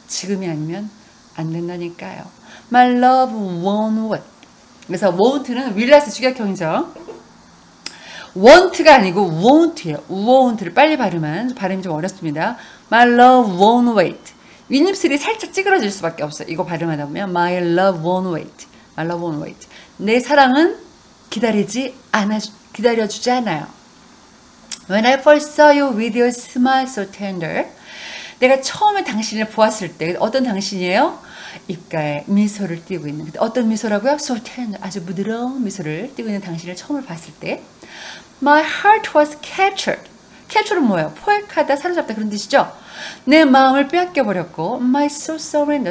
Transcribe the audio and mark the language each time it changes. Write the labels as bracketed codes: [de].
[ko] 지금이 아니면 안 된다니까요. [en] My love won't wait. [ko] 그래서 won't는 윌라스 주격형이죠. want가 아니고 won't예요. won't를 빨리 발음한 발음이 좀 어렵습니다. [en] My love won't wait. [ko] 윗입술이 살짝 찌그러질 수밖에 없어요. 이거 발음하다 보면 [en] My love won't wait. My love won't wait. [ko] 내 사랑은 기다려주지 않아요. [en] When I first saw you with your smile so tender. [ko] 내가 처음에 당신을 보았을 때 어떤 당신이에요? 입가에 미소를 띄고 있는 어떤 미소라고요? [en] So tender, [ko] 아주 부드러운 미소를 띄고 있는 당신을 처음을 봤을 때 [en] My heart was captured. [ko] Captured은 뭐예요? 포획하다, 사로잡다 그런 뜻이죠? 내 마음을 빼앗겨버렸고 [en] My soul surrender.